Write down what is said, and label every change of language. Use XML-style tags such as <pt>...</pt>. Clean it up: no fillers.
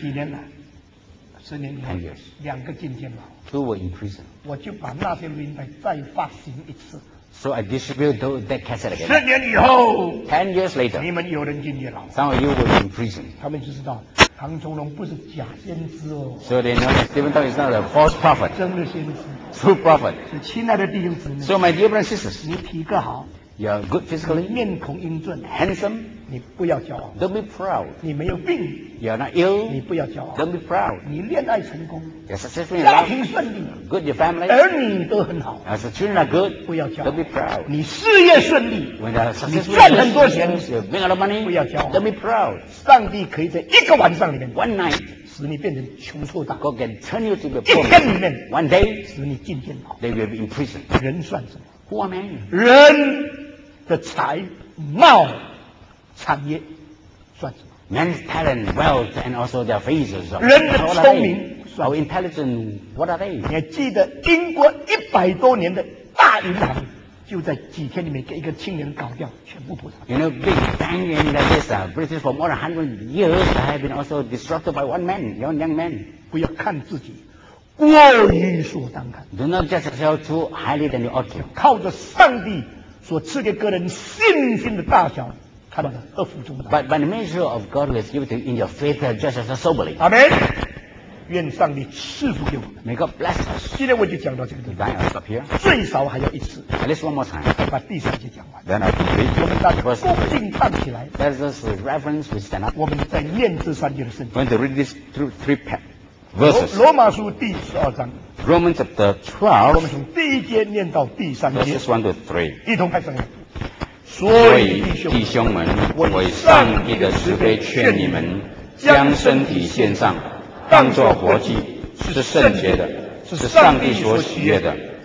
<zh>几年了？10年。</zh> <en>10 years。</en> <zh>两个进监牢。</zh> <en>Two were in prison.</en> <zh>我就把那些名牌再发行一次。</zh> <en>So I distribute that cassette again.</en> <zh>10年以后</zh> <en>10 years later.</en> <zh>你们有人进监牢。</zh> <en>Some of you were in prison.</en> <zh>他们就知道唐崇荣不是假先知哦。</zh> <en>So they know that Stephen Tong is not a false prophet.</en> <zh>真的先知。</zh> <en>True prophet.</en> <zh>是亲爱的弟兄姊妹。</zh> <en>So my dear brothers and sisters.</en> <zh>你体格好。</zh> <en>You are good physically.</en> <zh>你面孔英俊。</zh> <en>Handsome.</en> <zh>你不要骄傲。</zh> <en>Don't be proud.</en> <zh>你没有病。</zh> <en>You are not ill.</en> <zh>你不要骄傲。</zh> <en>Don't be proud.</en> <zh>你恋爱成功。</zh> <en>You're successful.</en> <zh>家庭顺利。</zh> <en>Good your family.</en> <zh>儿女都很好。</zh> <en>As the children are good.</en> <zh>不要骄傲。</zh> <en>Don't be proud.</en> <zh>你事业顺利。</zh> <en>When you are successful.</en> <zh>你赚很多钱。</zh> <en>You make a lot of money.</en> <zh>不要骄傲。</zh> <en>Don't be proud.</en> <zh>上帝可以在一个晚上里面。</zh> <en>One night.</en> <zh>使你变成穷瘦大。</zh> <en>God can turn you to be poor.</en> <zh>一天里面。</zh> <en>One day.</en> <zh>使你进监牢。</zh> <en>They will be in prison.</en> <zh>人算什么？</zh> <en>Who are men?</en> <zh>人的才貌。产业算什么</zh> <en>？Man's talent, wealth, and also their phases.</en> <zh>人的聪明</zh> <en>，how intelligent? What are they?</en> <zh>你还记得英国100多年的大银行，就在几天里面给一个青年搞掉，全部破产。</zh> <en>You know, big bank in the days, British for more than 100 years have been also disrupted by one man, young man.</en> <zh>不要看自己过于所当看。</zh> <en>Do not judge yourself too highly than you ought to.</en> <zh>靠着上帝所赐给个人信心的大小。</zh> <en>But the measure of God was given to you in your faith, just as soberly.</en> <zh>Amen. 愿上帝赐福给我们。</zh> <en>May God bless us.</en> <zh>今天我就讲到这个地方。</zh> <en>Then I'll stop here.</en> <zh>最少还要一次。</zh> <en>At least one more time.</en> <zh>把第三节讲完。</zh> <en>Then I'll complete.</en> <zh>我们大家恭敬站起来。</zh> <en>Let us reverence. We stand up.</en> <zh>我们在念这三节的圣经。</zh> <en>We're going to read this through three verses.</en> <zh>罗马书第十二章。</zh> <en>Romans chapter 12.</en> <zh>我们从第一节念到第三节。</zh> <en>Verses 1-3.</en> <zh>一同开始。所以弟兄们，为上帝的慈悲劝你们，将身体献上，当作活祭，是圣洁的，是上帝所喜悦的。</zh>